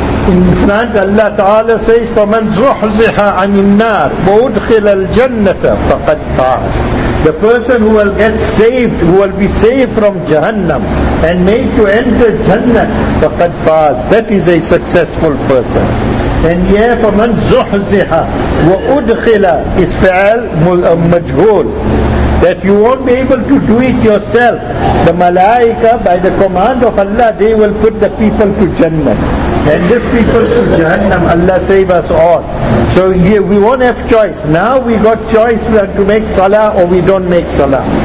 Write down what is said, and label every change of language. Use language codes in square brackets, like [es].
[en] In front, Allah Ta'ala says, [ar] فَمَنْ زُحْزِحَ عَنِ النَّارِ وَأُدْخِلَ الْجَنَّةَ فَقَدْ فَعَزِ [en] The person who will get saved, who will be saved from Jahannam and made to enter Jannah, [ar] فَقَدْ فَعَزِ [en] That is a successful person. And here, [ar] فَمَنْ زُحْزِحَ وَأُدْخِلَ is فعل مجهول. [en] That you won't be able to do it yourself. The Malaika, by the command of Allah, they will put the people to Jannah. And this people to Jahannam, Allah save us all. So here we won't have choice. Now we got choice, we have to make salah or we don't make salah.